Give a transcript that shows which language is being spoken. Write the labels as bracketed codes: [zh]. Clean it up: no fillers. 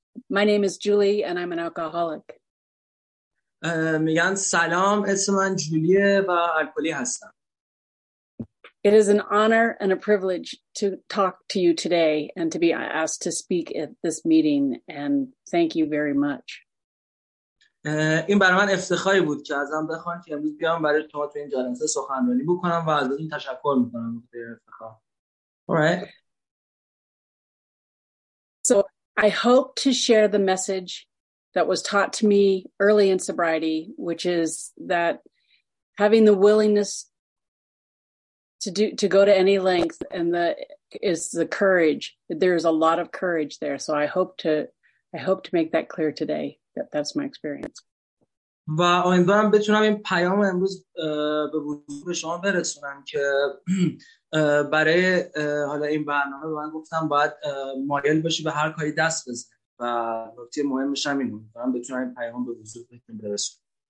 [en] My name is Julie and I'm an alcoholic. [fa] میگن سلام، اسم من جولیه و الکلی هستم. [en] It is an honor and a privilege to talk to you today and to be asked to speak at this meeting, and thank you very much. [fa] این برای من افتخاری بود که ازم بخوان که امروز بیام برای شما تو این جلسه سخنرانی بکنم و از این تشکر میکنم به افتخار. [en] Alright. So I hope to share the message that was taught to me early in sobriety, which is that having the willingness to go to any length and the courage. There is a lot of courage there. So I hope to make that clear today. That's my experience. [fa] و امیدوارم بتونم این پیام امروز به وجود شما برسونم که برای حالا این برنامه به من گفتم باید مایل باشی به هر کاری دست بزنی و نکته مهمش هم این بود من بتونم این پیام به وجود بتونم برسونم.